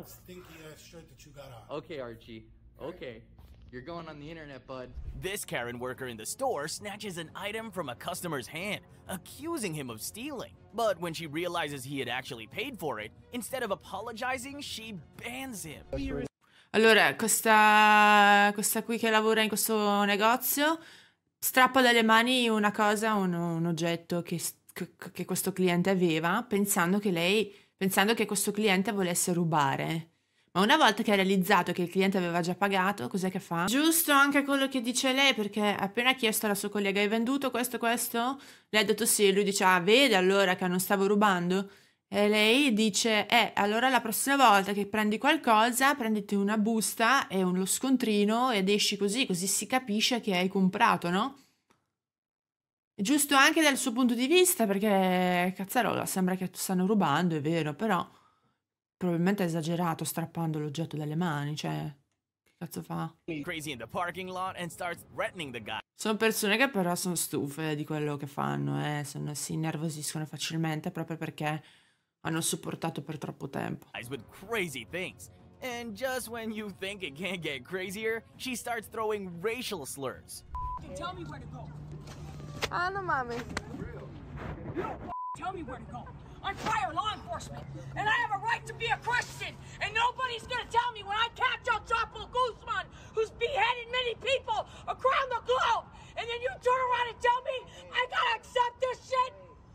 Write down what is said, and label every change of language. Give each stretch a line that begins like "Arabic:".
English: That stinky ass shirt that you got on. Okay, Archie. Okay. Right. You're going on the internet, bud. This Karen worker in the store snatches an item from a customer's hand, accusing him of stealing. But when she realizes he had actually paid for it, instead of apologizing, she bans him.
Italian: Allora, questa qui che lavora in questo negozio strappa dalle mani una cosa, un oggetto che questo cliente aveva, pensando che questo cliente volesse rubare. Ma una volta che ha realizzato che il cliente aveva già pagato, cos'è che fa? Giusto anche quello che dice lei, perché appena ha chiesto alla sua collega, hai venduto questo, questo? Lei ha detto sì, e lui dice, ah, vede allora che non stavo rubando? E lei dice, allora la prossima volta che prendi qualcosa, prenditi una busta e uno scontrino ed esci così, così si capisce che hai comprato, no? È giusto anche dal suo punto di vista, perché, cazzarola, sembra che stanno rubando, è vero, però... probabilmente ha esagerato strappando l'oggetto dalle mani, cioè... che cazzo fa?
English: Crazy in the parking lot and starts threatening the guy.
Italian: Sono persone che però sono stufe di quello che fanno, sono, si innervosiscono facilmente proprio perché hanno sopportato per troppo tempo.
English: With crazy things. And just when you think it can't get crazier, she starts throwing racial slurs. Tell me where to go. Ah,
Spanish: no mames.
English: You don't tell me where to go. I'm prior law enforcement, and I have a right to be a Christian, and nobody's gonna tell me when I catch El Chapo Guzman, who's beheaded many people around the globe, and then you turn around and tell me I gotta accept this shit?